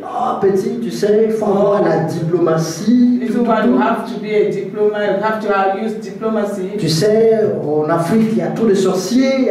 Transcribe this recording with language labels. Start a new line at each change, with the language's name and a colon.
French: oh petit, tu sais, il faut avoir la diplomatie.
English: Little man, you have to be a diplomat, you have to use diplomacy.
French: Tu sais, en Afrique, il y a tous les sorciers.